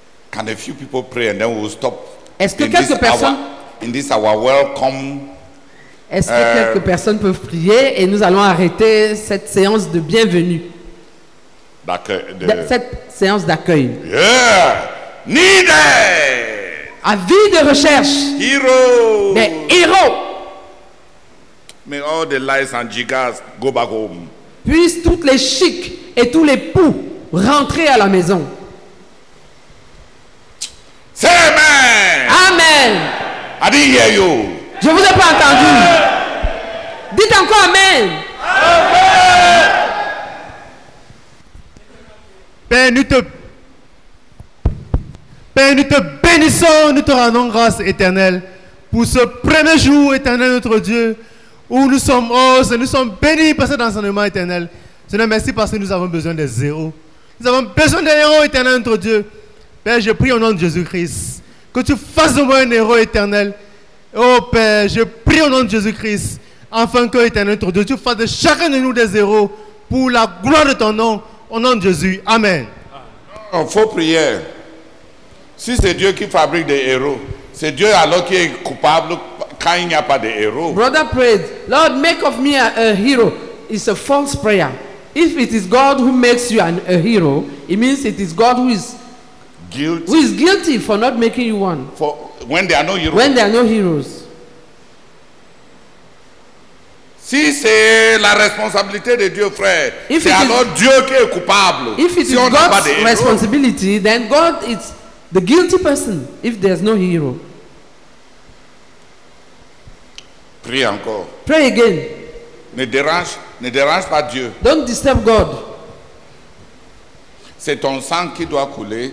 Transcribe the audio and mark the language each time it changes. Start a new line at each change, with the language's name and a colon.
English: Can a few people pray and then we'll stop?
French: Est-ce que quelques personnes
English: in this our welcome?
French: Est-ce que quelques personnes peuvent prier et nous allons arrêter cette séance de bienvenue? Cette séance d'accueil.
English: Yeah, needed.
French: Avis de recherche.
English: Heroes.
French: Des héros.
English: May all the lies and jiggers go back home.
French: Puissent toutes les chics et tous les poux rentrer à la maison.
English: Say amen. Amen. I didn't hear you.
French: Je vous ai pas entendu. Amen. Dites encore amen. Amen. Père, nous te bénissons, nous te rendons grâce, Éternel, pour ce premier jour, Éternel, notre Dieu, où nous sommes hors et nous sommes bénis par cet enseignement, Éternel. Seigneur, merci parce que nous avons besoin des héros. Nous avons besoin des héros, Éternel, notre Dieu. Père, je prie au nom de Jésus-Christ que tu fasses de moi un héros, Éternel. Oh Père, je prie au nom de Jésus-Christ, afin que, Éternel, notre Dieu, tu fasses de chacun de nous des héros pour la gloire de ton nom. Au nom de Jésus, amen. Il faut prier. Si c'est Dieu qui fabrique des héros, c'est Dieu alors qui est coupable quand il n'y a pas de héros.
English: Brother prayed, Lord, make of me a hero. It's a false prayer. If it is God who makes you a hero, it means it is God who is guilty for not making you one. For when there are no heroes. When there are no heroes.
French: Si c'est la responsabilité de Dieu, frère, c'est alors Dieu qui est coupable.
English: If it
French: si
English: is
French: on
English: God's
French: n'a pas de héros,
English: responsibility, then God is the guilty person if there's no hero.
French: Prie encore.
English: Pray again.
French: Ne dérange pas Dieu.
English: Don't disturb God.
French: C'est ton sang qui doit couler.